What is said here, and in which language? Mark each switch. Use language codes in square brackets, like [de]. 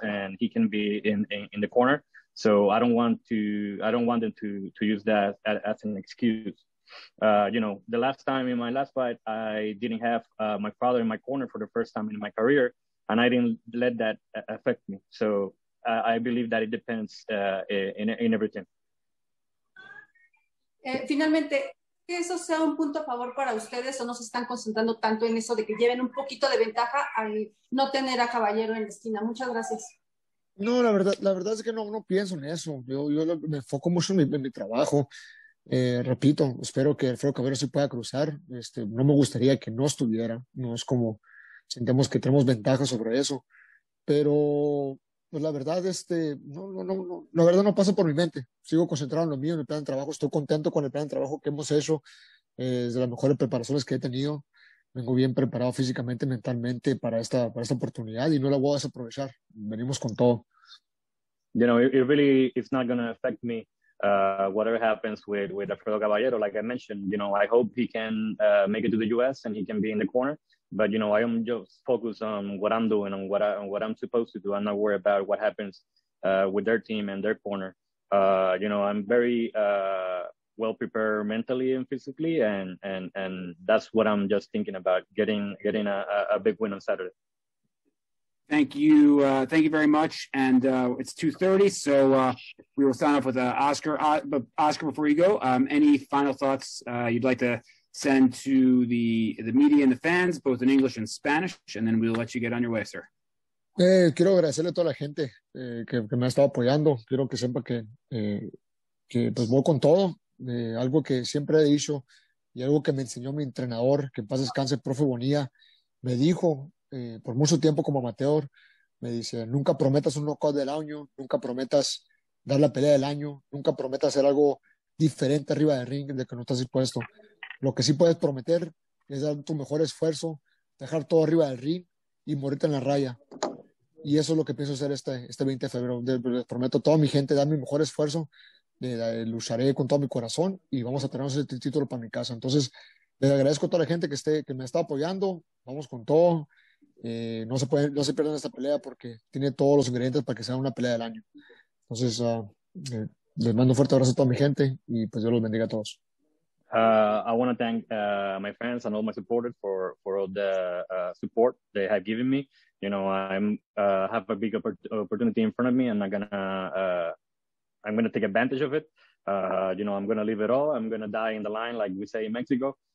[en] and he can be in the corner. So I don't want them to use that as an excuse. You know, the last time in my last fight, I didn't have my father in my corner for the first time in my career, and I didn't let that affect me. So I believe that it depends in everything. [es] Finalmente, que eso sea un punto a favor para ustedes, o no se están concentrando tanto en eso de que lleven un poquito de ventaja al no tener a Caballero en la esquina. Muchas gracias. No, la verdad es que no pienso en eso. Yo me enfoco mucho en mi trabajo. Repito, espero que Alfredo Caballero se pueda cruzar. No me gustaría que no estuviera. No es como sentemos que tenemos ventaja sobre eso. Pero pues la verdad, no, la verdad no pasa por mi mente. Sigo concentrado en lo mío, en el plan de trabajo. Estoy contento con el plan de trabajo que hemos hecho. Es de las mejores preparaciones que he tenido. Vengo bien preparado físicamente, mentalmente para esta oportunidad y no la voy a desaprovechar. Venimos con todo. [en] You know, it really is not going to affect me whatever happens with Alfredo Caballero. Like I mentioned, you know, I hope he can make it to the U.S. and he can be in the corner. But, you know, I am just focused on what I'm doing and what I'm supposed to do. I'm not worried about what happens with their team and their corner. You know, I'm very well prepared mentally and physically, and that's what I'm just thinking about, getting a big win on Saturday. Thank you. Thank you very much. And it's 2:30, so we will sign off with Oscar. Oscar, before you go, any final thoughts you'd like to send to the media and the fans, both in English and Spanish, and then we'll let you get on your way, sir. [es] Quiero agradecerle a toda la gente que me ha estado apoyando. Quiero que sepa que pues voy con todo. Algo que siempre he dicho y algo que me enseñó mi entrenador, que en paz descanse, profe Bonilla, me dijo por mucho tiempo como amateur, me dice, nunca prometas un knockout del año, nunca prometas dar la pelea del año, nunca prometas hacer algo diferente arriba del ring de que no estás dispuesto. Lo que sí puedes prometer es dar tu mejor esfuerzo, dejar todo arriba del ring y morirte en la raya. Y eso es lo que pienso hacer este 20 de febrero. Les prometo a toda mi gente dar mi mejor esfuerzo, lucharé con todo mi corazón y vamos a tener ese título para mi casa. Entonces, les agradezco a toda la gente que me está apoyando. Vamos con todo. No se pierdan esta pelea porque tiene todos los ingredientes para que sea una pelea del año. Entonces, les mando un fuerte abrazo a toda mi gente y pues Dios los bendiga a todos. [en] I want to thank my fans and all my supporters for all the support they have given me. You know, I'm have a big opportunity in front of me, and I'm gonna take advantage of it. You know, I'm gonna leave it all. I'm gonna die in the line, like we say in Mexico.